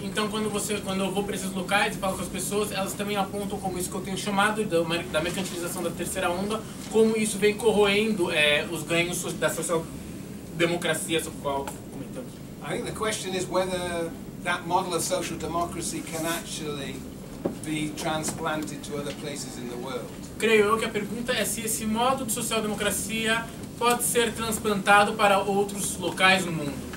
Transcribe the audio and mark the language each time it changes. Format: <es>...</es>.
<pt>Então quando eu vou para esses locais e falo com as pessoas, elas também apontam como isso que eu tenho chamado da mercantilização da terceira onda, como isso vem corroendo os ganhos da social democracia sobre o qual comentamos.</pt> <en>I think the question is whether that model of social democracy can actually be transplanted to other places in the world.</en> <pt>Creio eu que a pergunta é se esse modo de social democracia pode ser transplantado para outros locais no mundo.</pt>